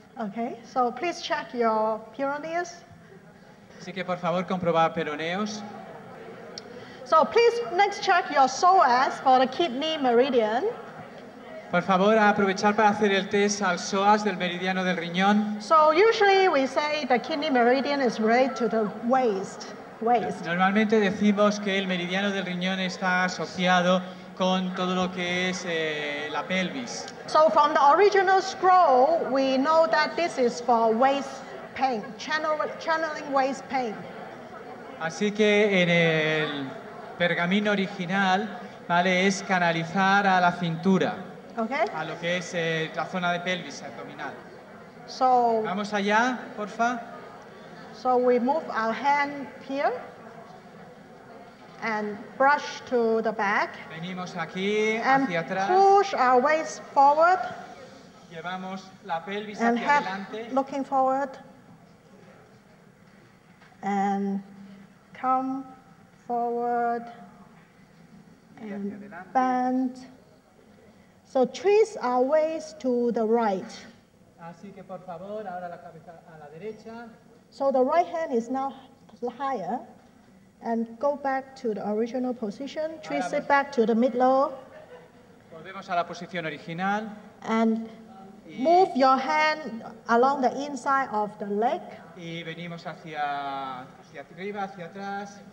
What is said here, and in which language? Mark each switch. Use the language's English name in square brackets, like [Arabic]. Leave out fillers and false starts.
[English] Okay, so please check your peroneus. [Spanish] Así que por favor comprobar peroneos. [English] So please next check your psoas for the kidney meridian. [Spanish] Por favor, aprovechar para hacer el test al psoas del meridiano del riñón. [English] So usually we say the kidney meridian is right to the waist. [Spanish] Normalmente decimos que el meridiano del riñón está asociado con todo lo que es la pelvis. [English] So from the original scroll, we know that this is for waist pain, channeling waist pain. [Spanish] Así que en el pergamino original, vale, es canalizar a la cintura, [English] okay, [Spanish] a lo que es la zona de pelvis abdominal. [English] So [Spanish] vamos allá, porfa. [English] So we move our hand here. And brush to the back. [Spanish] Venimos aquí, [English] and [Spanish] hacia atrás. [English] Push our waist forward. [Spanish] Llevamos la pelvis [English] and [Spanish] hacia adelante. [English] Looking forward. and come forward and bend. So twist our waist to the right. [Spanish] Así que por favor, ahora la cabeza a la derecha. [English] So the right hand is now higher. And go back to the original position. Twist it back to the mid low. [Spanish] Volvemos a la posición original. [English] And move your hand along the inside of the leg. [Spanish] Y venimos hacia arriba, hacia atrás.